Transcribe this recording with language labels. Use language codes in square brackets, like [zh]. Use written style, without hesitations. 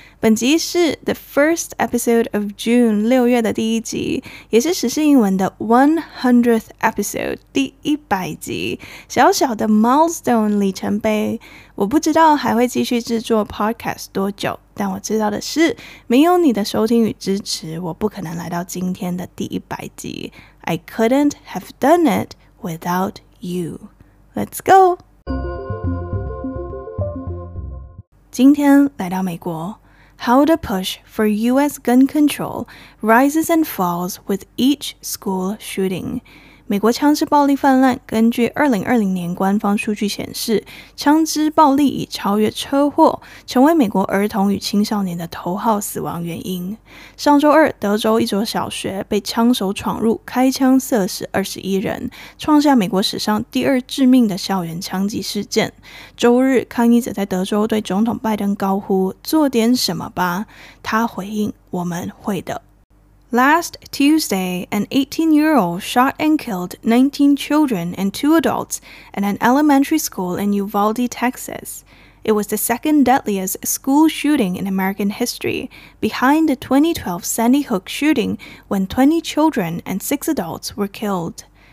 [zh] 本集是 [en] the first episode of June, [zh] 六月的第一集，也是时事英文的 [en] 100th episode, [zh] 第一百集，小小的 milestone 里程碑。我不知道还会继续制作 podcast 多久，但我知道的是，没有你的收听与支持，我不可能来到今天的第一百集。 [en] I couldn't have done it without you. Let's go! [zh] 今天来到美国， [en] How the push for U.S. gun control rises and falls with each school shooting. [zh] 美国枪支暴力泛滥，根据2020年官方数据显示，枪支暴力已超越车祸，成为美国儿童与青少年的头号死亡原因。上周二，德州一所小学被枪手闯入，开枪射死21人，创下美国史上第二致命的校园枪击事件。周日，抗议者在德州对总统拜登高呼，做点什么吧。他回应，我们会的。 [en] Last Tuesday, an 18-year-old shot and killed 19 children and 2 adults at an elementary school in Uvalde, Texas. It was the second deadliest school shooting in American history, behind the 2012 Sandy Hook shooting when 20 children and 6 adults were killed.